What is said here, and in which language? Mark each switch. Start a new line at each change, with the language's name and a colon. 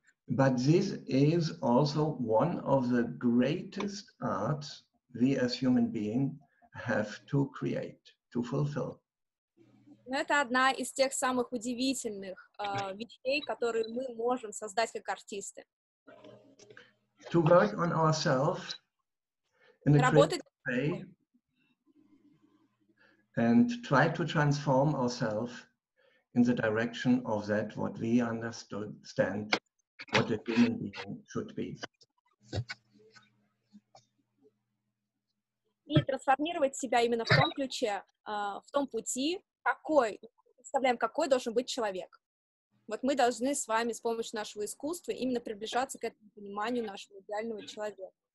English: But this is also one of the greatest arts we as human being have to create, to fulfill.
Russian: Но это одна из тех самых удивительных вещей, которые мы можем создать как артисты.
English: To work on ourselves in a creative way and try to transform ourselves in the direction of that what we understand what a human being should be.
Russian: И трансформировать себя именно в том ключе, в том пути, какой, представляем, какой должен быть человек. Вот мы должны с вами с помощью нашего искусства именно приближаться к этому пониманию нашего идеального человека.